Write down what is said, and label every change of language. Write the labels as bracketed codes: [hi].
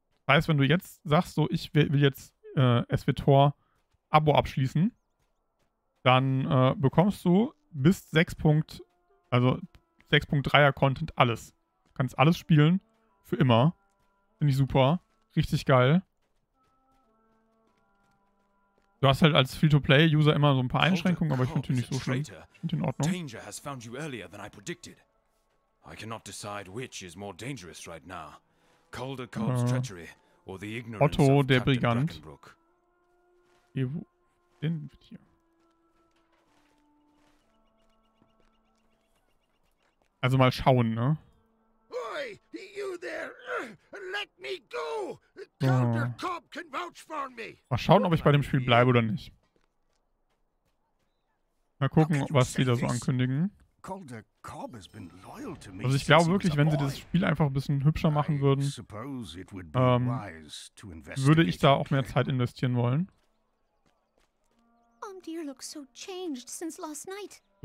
[de] Das heißt, wenn du jetzt sagst, so, ich will jetzt SWTOR Abo abschließen, dann bekommst du bis 6.3er Content alles. Du kannst alles spielen, für immer. Finde ich super. Richtig geil. Du hast halt als Free-to-Play-User immer so ein paar Einschränkungen, aber ich finde die nicht so schlimm. Ich finde die in Ordnung. [en] Danger has found you earlier than I predicted. I cannot decide which is more dangerous right now. Calder Corps treachery or the ignorance Otto, of der Captain Brigant. Brackenbrook. [de] Den hier. Also mal schauen, ne? [en] Oi, you there! Let me go! Calder Corp can vouch for me! [de] Mal schauen, ob ich bei dem Spiel bleibe oder nicht. Mal gucken, was sie da so ankündigen. [en] Calder Corp has been loyal to me. [de] Also ich glaube wirklich, wenn sie das Spiel einfach ein bisschen hübscher machen würden, würde ich da auch mehr Zeit investieren wollen. [en] Omdir looks so changed since last night.